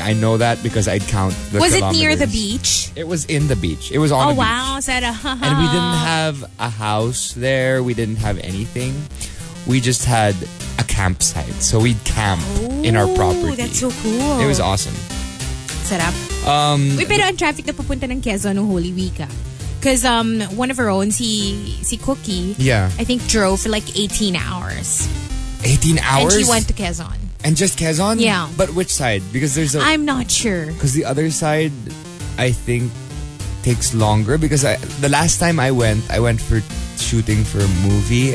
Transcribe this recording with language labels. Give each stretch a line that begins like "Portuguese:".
English: I know that because I'd count the kilometers. Was it near the beach? It was in the beach. It was on the beach. Oh, wow. And we didn't have a house there. We didn't have anything. We just had a campsite. So we'd camp in our property. That's so cool. It was awesome.
Filipino: Sarap. We pero ang traffic na papunta ng Quezon no Holy Week.
English: Because one of our own, si Cookie, yeah, I think drove for like 18 hours. 18 hours? And she went to Quezon. And just Quezon? Yeah. But which side? Because there's a... I'm not sure. Because the other side, I think, takes longer. Because the last time I went for shooting for a movie.